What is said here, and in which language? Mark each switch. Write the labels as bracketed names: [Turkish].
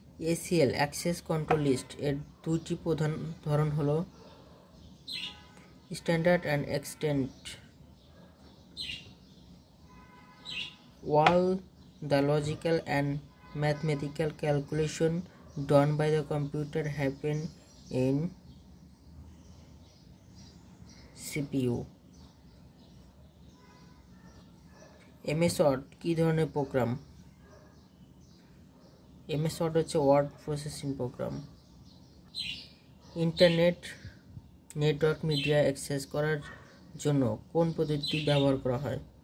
[Bangla] ACL access control list এর 2টি প্রধান ধরন হল standard and extent. [English] Will the logical and mathematical calculation done by the computer happen in CPU? [Bangla] MS Word কি ধরনের programme? MS Word হচ্ছে word processing programme. Internet network media access করার জন্য কোন পদ্ধতি ব্যবহার করা হয়?